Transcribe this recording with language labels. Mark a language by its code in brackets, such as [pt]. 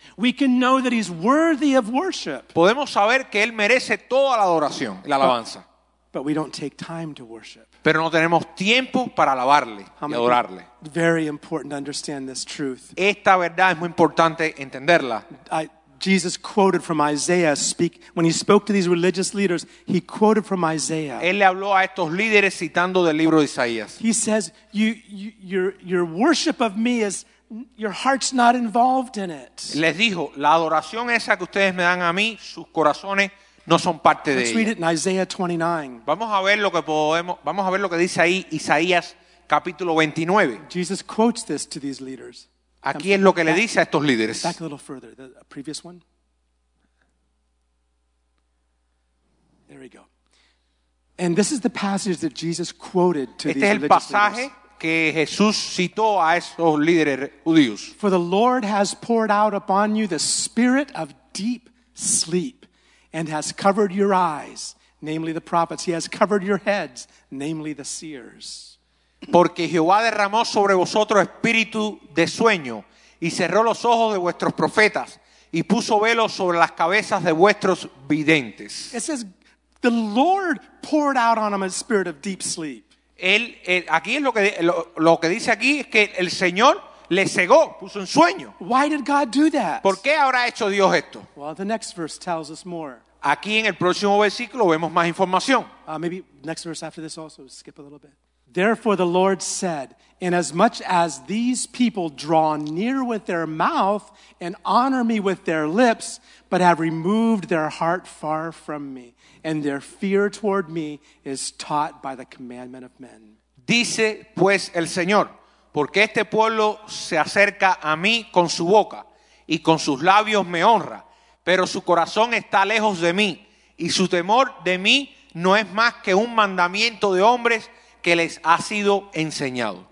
[en] We can know that he's worthy of worship. [es] Podemos saber que él merece toda la adoración, la alabanza. [en] But we don't take time to worship. [es] Pero no tenemos tiempo para alabarle y adorarle. [en] Very important to understand this truth. [es] Esta verdad es muy importante entenderla. [en] Jesus quoted from Isaiah when he spoke to these religious leaders, he quoted from Isaiah. [es] Él le habló a estos líderes citando del libro de Isaías. [en] He says, your worship of me is your heart's not involved in it. [es] Les dijo, la adoración esa que ustedes me dan a mí, sus corazones no son parte de ella. [en] Let's read it in Isaiah 29. [es] Vamos a ver lo que dice ahí Isaías capítulo 29. [en] Jesus quotes this to these leaders. [es] Aquí es lo que le dice a estos líderes. [en] Back a little further, the previous one. There we go. And this is the passage that Jesus quoted to these religious leaders. [es] Este es el pasaje que Jesús citó a esos líderes judíos. [en] For the Lord has poured out upon you the spirit of deep sleep. And has covered your eyes, namely the prophets. He has covered your heads, namely the seers. [es] Porque Jehová derramó sobre vosotros espíritu de sueño, y cerró los ojos de vuestros profetas, y puso velos sobre las cabezas de vuestros videntes. [en] It says, the Lord poured out on him a spirit of deep sleep. [es] Aquí es lo que dice aquí es que el Señor le cegó, puso un sueño. [en] Why did God do that? [es] ¿Por qué habrá hecho Dios esto? [en] Well, the next verse tells us more. [es] Aquí en el próximo versículo vemos más información. [en] Maybe next verse after this also, skip a little bit. Therefore the Lord said, inasmuch as these people draw near with their mouth and honor me with their lips, but have removed their heart far from me, and their fear toward me is taught by the commandment of men. [es] Dice pues el Señor, porque este pueblo se acerca a mí con su boca y con sus labios me honra, pero su corazón está lejos de mí y su temor de mí no es más que un mandamiento de hombres que les ha sido enseñado.